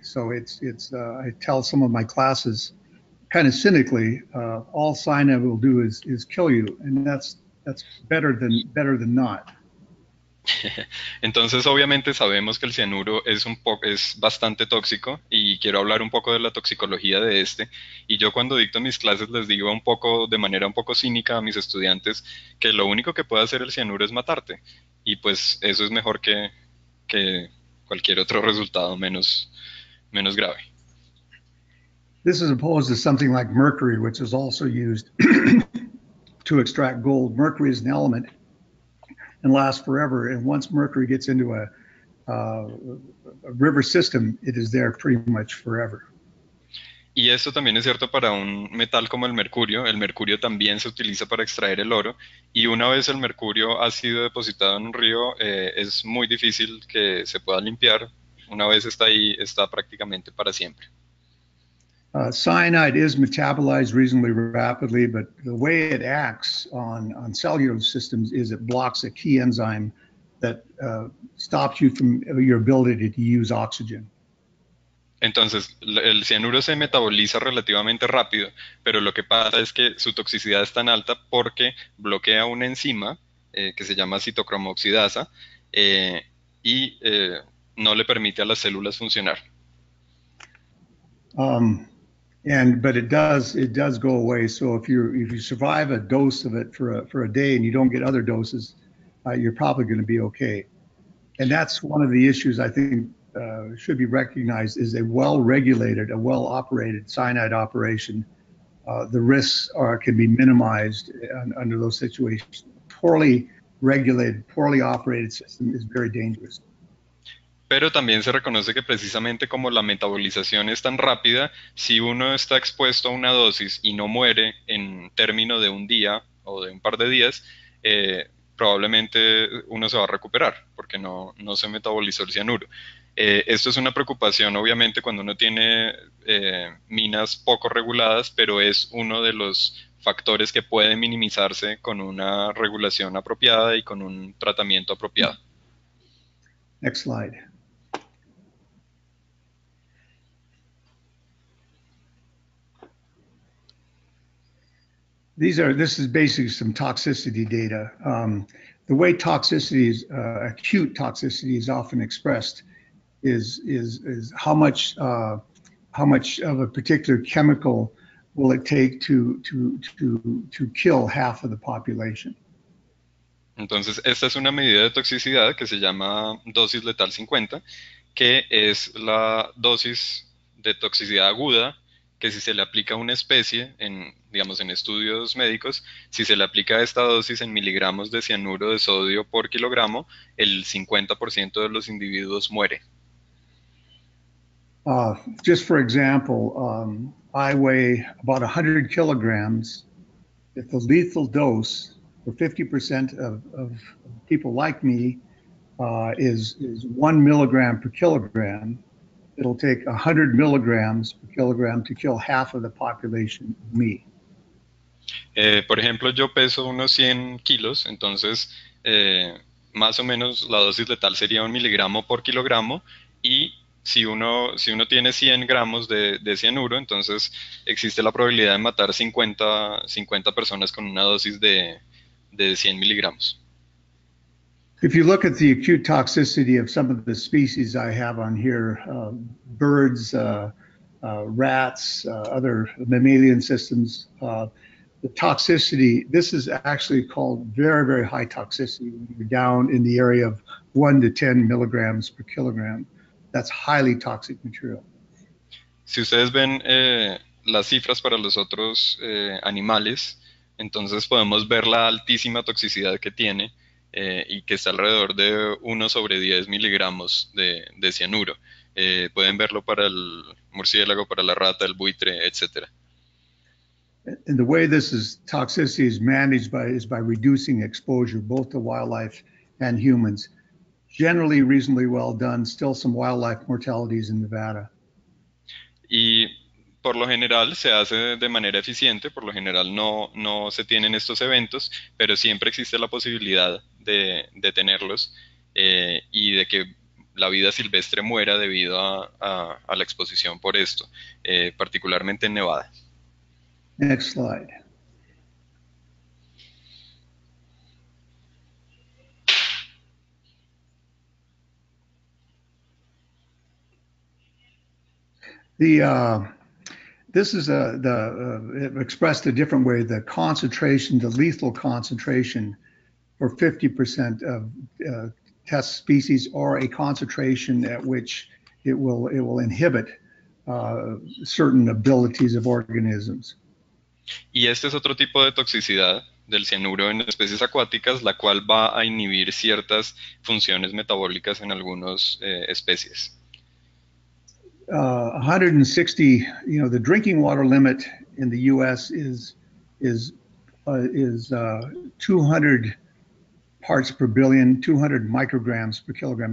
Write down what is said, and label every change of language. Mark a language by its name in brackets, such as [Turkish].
[English] So I tell some of my classes, kind of cynically, all cyanide will do is kill you, and that's better than not. [Spanish] Entonces, obviamente sabemos que el cianuro es bastante tóxico y quiero hablar un poco de la toxicología de este. Y yo cuando dicto mis clases les digo un poco de manera un poco cínica a mis estudiantes que lo único que puede hacer el cianuro es matarte. Y pues eso es mejor que cualquier otro resultado menos grave. [English] This is opposed to something like mercury, which is also used to extract gold. Mercury is an element and lasts forever. And once mercury gets into a river system, it is there pretty much forever. [Spanish] Y esto también es cierto para un metal como el mercurio. El mercurio también se utiliza para extraer el oro. Y una vez el mercurio ha sido depositado en un río, es muy difícil que se pueda limpiar. Una vez está ahí, está prácticamente para siempre. [English] Cyanide is metabolized reasonably rapidly, but the way it acts on cellular systems is it blocks a key enzyme that stops you from your ability to use oxygen. [Spanish] Entonces, el cianuro se metaboliza relativamente rápido, pero lo que pasa es que su toxicidad es tan alta porque bloquea una enzima que se llama citocromo oxidasa y no le permite a las células funcionar. [English] But it does go away. So if you survive a dose of it for a day and you don't get other doses, you're probably going to be okay. And that's one of the issues I think should be recognized is a well-regulated, a well-operated cyanide operation. The risks can be minimized under those situations. Poorly regulated, poorly operated system is very dangerous. [Spanish] Pero también se reconoce que precisamente como la metabolización es tan rápida, si uno está expuesto a una dosis y no muere en término de un día o de un par de días, probablemente uno se va a recuperar porque no se metabolizó el cianuro. Esto es una preocupación obviamente cuando uno tiene minas poco reguladas, pero es uno de los factores que puede minimizarse con una regulación apropiada y con un tratamiento apropiado. [English] Next slide. This is basically some toxicity data. The way toxicity is, acute toxicity is often expressed is how much of a particular chemical will it take to kill half of the population. [Spanish] Entonces, esta es una medida de toxicidad que se llama dosis letal 50, que es la dosis de toxicidad aguda que si se le aplica una especie, digamos, en estudios médicos, si se le aplica esta dosis en miligramos de cianuro de sodio por kilogramo, el 50% de los individuos muere. [English] Just for example, I weigh about 100 kilograms. If the lethal dose for 50% of people like me is 1 milligram per kilogram, it'll take 100 milligrams per kilogram to kill half of the population of me. [Spanish] Por ejemplo, yo peso unos 100 kilos, entonces más o menos la dosis letal sería 1 miligramo por kilogramo. Y si uno tiene 100 gramos de cianuro, entonces existe la probabilidad de matar 50 personas con una dosis de 100 miligramos. [English] If you look at the acute toxicity of some of the species I have on here, birds, rats, other mammalian systems, the toxicity, this is actually called very, very high toxicity when you're down in the area of 1 to 10 milligrams per kilogram. That's highly toxic material. [Spanish] Si ustedes ven las cifras para los otros animales, entonces podemos ver la altísima toxicidad que tiene y que está alrededor de 1 sobre 10 miligramos de cianuro. Pueden verlo para el murciélago, para la rata, el buitre, etcétera. [English] And the way this is toxicity is managed by is by reducing exposure both to wildlife and humans. Generally reasonably well done, still some wildlife mortalities in Nevada. [Spanish] Y por lo general se hace de manera eficiente, por lo general no se tienen estos eventos, pero siempre existe la posibilidad de tenerlos y de que la vida silvestre muera debido a la exposición por esto, particularmente en Nevada. [English] Next slide. This is expressed a different way, the concentration, the lethal concentration for 50% of test species, or a concentration at which it will inhibit certain abilities of organisms. [Spanish] Y este es otro tipo de toxicidad del cianuro en especies acuáticas, la cual va a inhibir ciertas funciones metabólicas en algunas especies. [English] 160, the drinking water limit in the US is 200 parts per billion, 200 micrograms per kilogram.